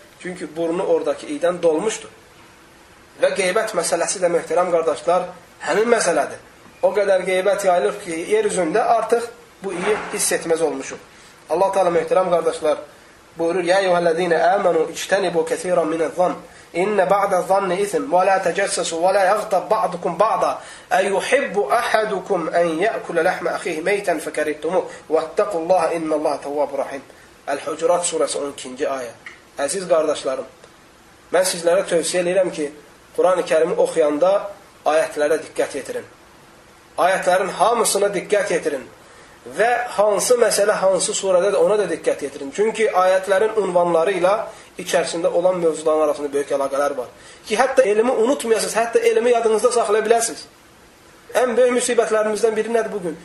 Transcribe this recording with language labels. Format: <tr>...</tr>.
<az>Çünki burnu oradakı iydən dolmuşdur. Və qeybət məsələsi də, möhtərəm qardaşlar, həmin məsələdir. O qədər qeybət yayılır ki, yer üzündə artıq bu iyi hiss etməz olmuşum. Allah Taala möhtərəm qardaşlar buyurur,</az> <ar>Ya eyyuhəlləzîne əmənu içtənibu kəsirən minəz-zann. إن بعد الظن إثم ولا تجسسوا ولا يغتب بعضكم بعضا أيحب أحدكم أن يأكل لحم أخيه ميتا فكرهتموه واتقوا الله إن الله تواب رحيم الحجرات سورة 12 آية</ar> <az>Əziz qardaşlarım, mən sizlərə tövsiyə edirəm ki, Qur'an-ı Kerim'i oxuyanda ayətlərə diqqət yetirin. Ayətlərin hamısına diqqət yetirin. Və hansı məsələ, hansı surədədir, ona da diqqət yetirin. Çünki ayətlərin unvanları ilə içərisində olan mövzuların arasında böyük əlaqələr var. Ki, hətta elmi unutmayasınız, hətta elmi yadınızda saxlaya bilərsiniz. Ən böyük müsibətlərimizdən biri nədir bugün?</az>